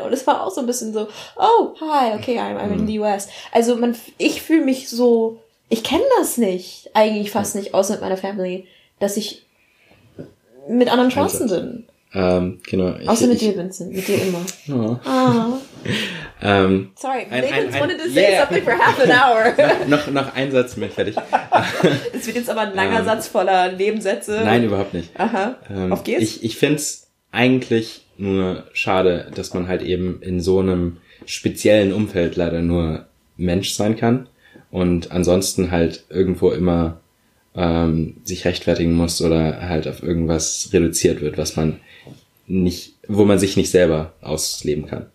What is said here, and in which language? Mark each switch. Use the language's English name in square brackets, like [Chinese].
[German] Und es war auch so ein bisschen so, [English] oh, hi, okay, I'm in the US. [German] Also ich fühle mich so, ich kenne das nicht, eigentlich fast nicht, außer mit meiner Family, dass ich mit anderen Chancen bin. Genau. Außer mit dir, Vincent, mit dir immer. Ja. [English] Sorry, Vincent wanted to say something for half an hour. [German] noch ein Satz, bin ich fertig. Das wird jetzt aber ein langer Satz voller Nebensätze. Nein, überhaupt nicht. Aha, auf geht's. Ich finde es eigentlich nur schade, dass man halt eben in so einem speziellen Umfeld leider nur Mensch sein kann und ansonsten halt irgendwo immer sich rechtfertigen muss oder halt auf irgendwas reduziert wird, was man nicht, wo man sich nicht selber ausleben kann.